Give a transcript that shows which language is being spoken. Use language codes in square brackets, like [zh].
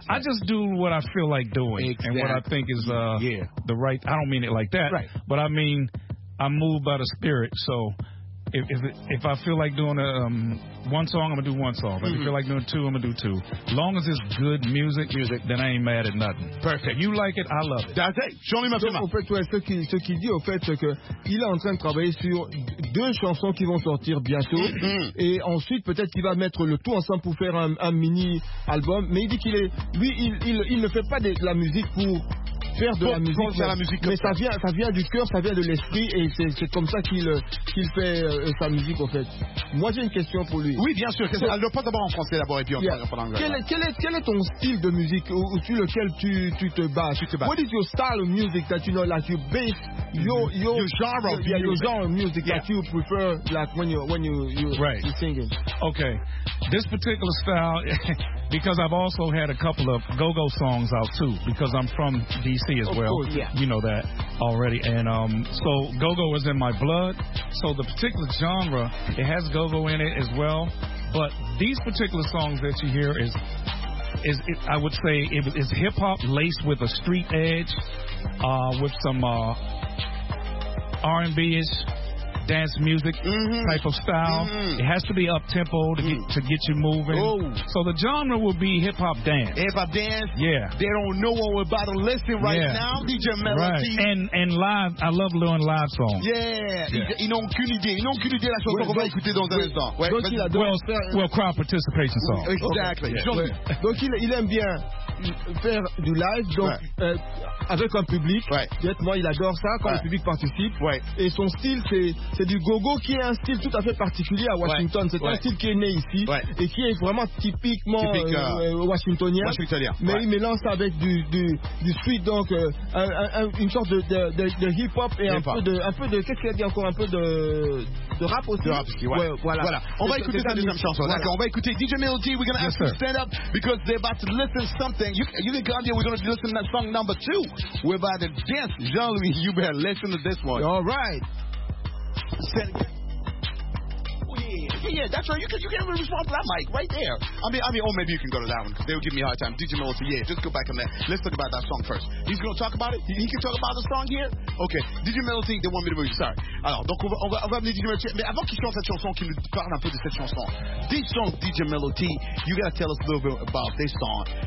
[en] I just do what I feel like doing and what I think is the right. I don't mean it like that. Right. But I mean, I move by the spirit, so. If I feel like doing one song, I'm going to do one song. If I feel like doing two, I'm going to do two. Long as it's good music, then I ain't mad at nothing. Perfect. If you like it, I love it. That's it. Show me my film. [fr] En fait, ce qu'il dit, en fait, c'est qu'il est en train de travailler sur deux chansons qui vont sortir bientôt. Et ensuite, peut-être qu'il va mettre le tout ensemble pour faire un mini-album. Mais il dit qu'il est... Lui, il ne fait pas de la musique pour... faire de la musique mais ça vient du cœur, ça vient de l'esprit, et c'est comme ça qu'il fait sa musique. En fait, moi j'ai une question pour lui. Oui, bien sûr. Alors, pas d'abord en français d'abord, et puis en anglais. Quel est ton style de musique sur lequel tu te bases? [en] What is your style of music that you know, like you base your genre of music that you prefer, like when you're singing? Okay, this particular style, because I've also had a couple of go-go songs out, too, because I'm from D.C. as of well. Course, yeah. You know that already. And so go-go is in my blood. So the particular genre, it has go-go in it as well. But these particular songs that you hear is hip-hop laced with a street edge, with some R&B-ish dance music type of style. Mm-hmm. It has to be up-tempo to get you moving. Ooh. So the genre will be hip-hop dance. Hip-hop dance? Yeah. They don't know what we're about to listen now, DJ Melody. Right. And live, I love doing live songs. [fr] Yeah. Ils n'ont aucune idée. Ils n'ont aucune idée la chanson qu'on va écouter dans un instant. [en] Well, crowd participation song. Exactly. [fr] Donc, il aime bien faire du live. Donc, avec un public. Ouais. Moi, il adore ça quand le public participe. Ouais. Et son style, c'est du go-go qui est un style tout à fait particulier à Washington. Ouais. C'est ouais. un style qui est né ici ouais. et qui est vraiment typiquement washingtonien. Mais il mélange ça avec du street, donc une sorte de hip-hop et un peu de. Qu'est-ce qu'il a dit encore? Un peu de rap aussi. De rap aussi, ouais. Voilà. On va écouter sa deuxième chanson. D'accord. On va écouter DJ Melody. [en] We're going to ask you to stand up because they're about to listen to something. You can come here. We're going to listen to that song number two. We're about to dance. Jean-Louis, you better listen to this one. All right. Yeah, that's right. You can't even respond to that mic right there. I mean, maybe you can go to that one because they would give me a hard time. DJ Melody, yeah, just go back in there. Let's talk about that song first. He's going to talk about it? He can talk about the song here? Okay. DJ Melody, they want me to move. Sorry. [fr] Alors, donc, on va venir DJ Melody. Mais avant qu'il chante cette chanson, qu'il nous parle un peu de cette chanson. [en] This song, DJ Melody, you got to tell us a little bit about this song.